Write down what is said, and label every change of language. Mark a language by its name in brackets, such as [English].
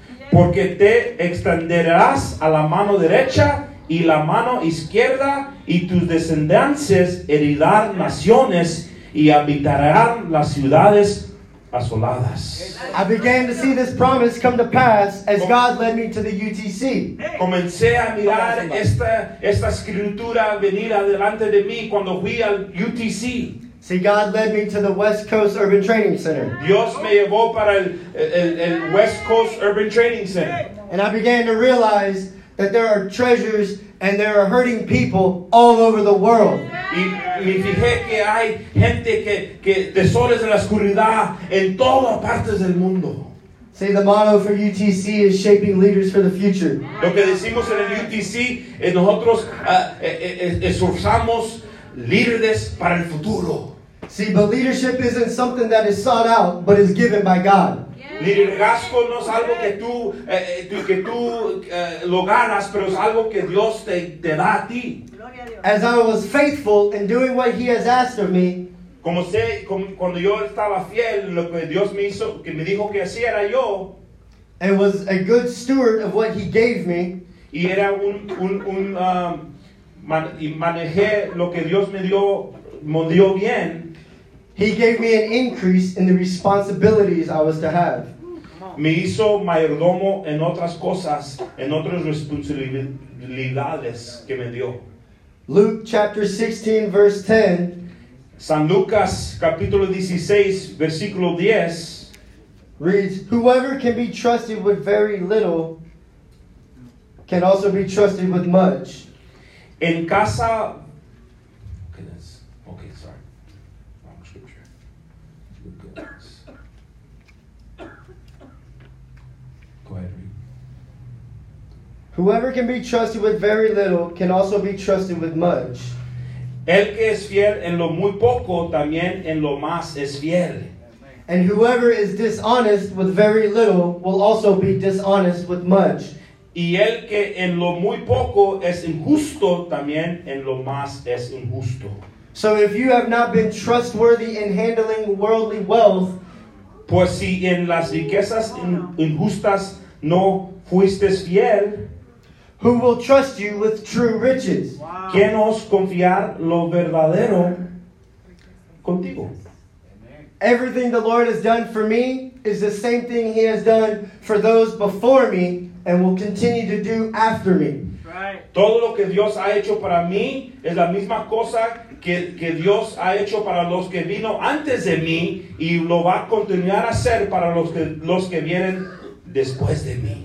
[Spanish] Porque te extenderás a la mano derecha y la mano izquierda, y tus descendientes heredarán naciones y habitarán las ciudades asoladas. [English] I began to see this promise come to pass as God led me to the UTC. [Spanish] Comencé a mirar esta escritura venir adelante de mí cuando fui al UTC. [English] See, God led me to the West Coast Urban Training Center. [Spanish] Dios me llevó para el West Coast Urban Training Center. [English] And I began to realize that there are treasures and there are hurting people all over the world. [Spanish] Y me fijé que hay gente que tesoros de la oscuridad en todas partes del mundo. [English] See, the motto for UTC is shaping leaders for the future. [Spanish] Lo que decimos en el UTC es nosotros esforzamos líderes para el futuro. [English] See, but leadership isn't something that is sought out, but is given by God. [Spanish] Liderazgo no es algo que tú lo ganas, pero es algo que Dios te da a ti. [English] As I was faithful in doing what He has asked of me, [Spanish] cuando yo estaba fiel lo que Dios me hizo, que me dijo que así era yo, [English] and was a good steward of what He gave me, [Spanish] y era y manejé lo que Dios me dio bien. [English] He gave me an increase in the responsibilities I was to have. [Spanish] Me hizo mayordomo en otras cosas, en otras responsabilidades que me dio. [English] Luke chapter 16, verse 10. [Spanish] San Lucas, capítulo 16, versículo 10. [English] Reads, whoever can be trusted with very little can also be trusted with much. [Spanish] En casa. [English] Okay, sorry. Wrong scripture. Lucas. Go ahead, read. Whoever can be trusted with very little can also be trusted with much. [Spanish] El que es fiel en lo muy poco también en lo más es fiel. [English] And whoever is dishonest with very little will also be dishonest with much. [Spanish] Y el que en lo muy poco es injusto, también en lo más es injusto. [English] So if you have not been trustworthy in handling worldly wealth, [Spanish] pues si en las riquezas injustas no fuiste fiel, [English] who will trust you with true riches? Wow. [Spanish] ¿Quién os confiar lo verdadero contigo? [English] Everything the Lord has done for me is the same thing He has done for those before me and will continue to do after me. Right. [Spanish] Todo lo que Dios ha hecho para mí es la misma cosa que Dios ha hecho para los que vino antes de mí y lo va a continuar a hacer para los que vienen después de mí.